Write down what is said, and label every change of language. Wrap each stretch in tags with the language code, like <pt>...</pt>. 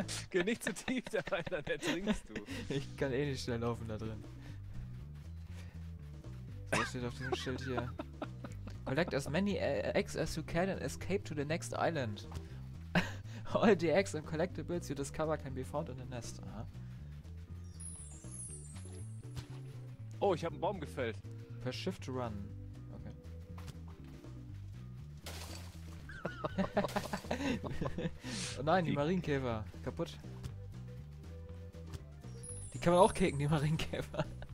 <de>Geh nicht zu tief da rein, dann ertrinkst du. Ich kann eh nicht schnell laufen da drin. Was steht auf dem Schild hier?</de> <en>Collect as many eggs as you can and escape to the next island. All the eggs and collectibles you discover can be found in the nest.</en> <de>Aha. Oh, ich hab einen Baum gefällt.</de> <en>Per shift to run.</en> <de>Oh nein, die Marienkäfer. Kaputt. Die kann man auch kicken, die Marienkäfer.</de>